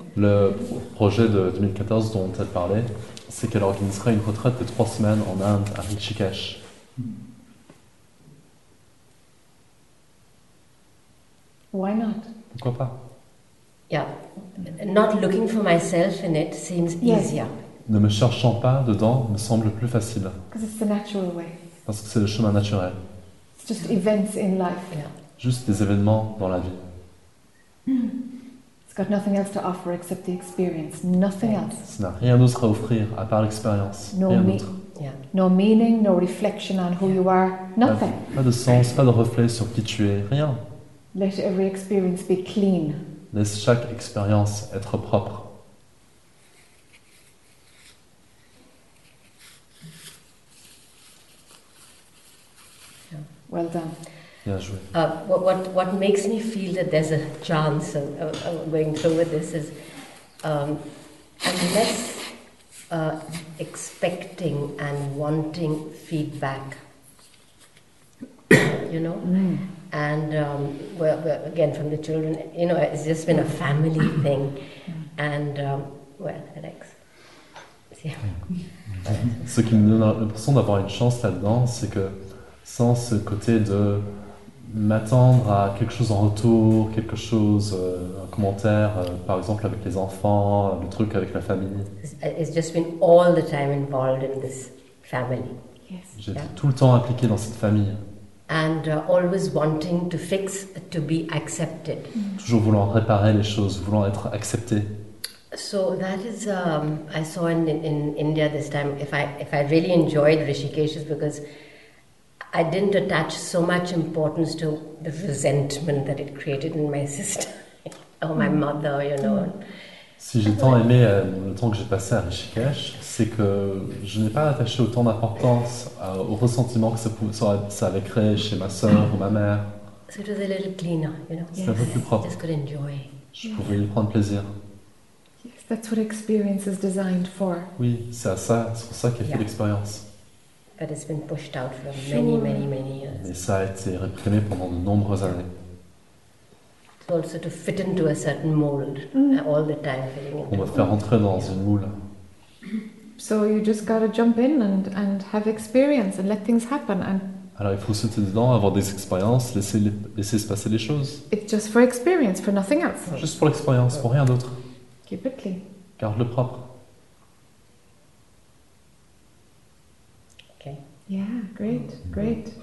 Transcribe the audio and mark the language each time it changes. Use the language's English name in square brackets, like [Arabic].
[French] Le projet de 2014 dont elle parlait, c'est qu'elle organiserait une retraite de 3 semaines en Inde, à Rishikesh. [English] Why not? [French] Pourquoi pas? [English] Yeah, not looking for myself in it seems easier. [French] Ne me cherchant pas dedans me semble plus facile. [English] Because it's the natural way. [French] Parce que c'est le chemin naturel. [English] It's just events in life. Yeah. [French] Juste des événements dans la vie. [English] got nothing else to offer except the experience. Nothing else. [French] Ça n'a rien d'autre à offrir à part l'expérience. [English] No [French] rien d'autre. [English] No meaning, no reflection on who you are. Nothing. [French] Pas de sens, pas de reflet sur qui tu es. Rien. [English] Let every experience be clean. [French] Laisse chaque expérience être propre. [English] Well done. [French] Bien joué. [English] What makes me feel that there's a chance of going through with this is unless expecting and wanting feedback, you know, and well, again from the children, you know, it's just been a family thing, and well, Alex. [French] Ce qui me donne l'impression d'avoir une chance là-dedans, c'est que sans ce côté de m'attendre à quelque chose en retour, quelque chose, un commentaire, par exemple avec les enfants, le truc avec la famille. [English] It's just been all the time involved in this family. Yes. [French] J'ai été tout le temps impliqué dans cette famille. [English] And always wanting to fix, to be accepted. [French] Toujours voulant réparer les choses, voulant être accepté. [English] So that is, I saw in India this time. If I really enjoyed Rishikesh, because I didn't attach so much importance to the resentment that it created in my sister or my mother, you know. [French] Si j'ai tant aimé le temps que j'ai passé à Rishikesh, c'est que je n'ai pas attaché autant d'importance au ressentiment que ça avait créé chez ma sœur ou ma mère. [English] So it was a little cleaner, you know. [French] C'est un peu plus propre. [English] Just could enjoy. [French] Je pouvais y prendre plaisir. [English] Yes, that's what experience is designed for. [French] Oui, c'est pour ça qu'est fait l'expérience. [English] But it's been pushed out for many, many, many years. [French] Mais ça a été réprimé pendant de nombreuses années. [English] It's also to fit into a certain mold, all the time. [French] On va faire rentrer dans une moule. [English] So you just gotta jump in and have experience and let things happen. And [French] alors il faut sauter dedans, avoir des expériences, laisser se passer les choses. [English] It's just for experience, for nothing else. [French] Juste pour l'expérience, pour rien d'autre. [English] Keep it clean. [French] Garde le propre. [English] Yeah, great.